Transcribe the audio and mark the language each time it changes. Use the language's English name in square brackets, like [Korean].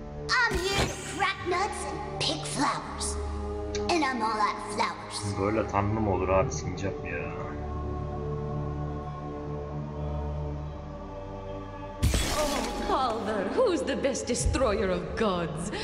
[English] I'm here to crack nuts and pick flowers. And I'm all out of flowers. [Turkish] Böyle tanrım olur abi sincap ya. [English] Oh, Calder, who's the best destroyer of gods?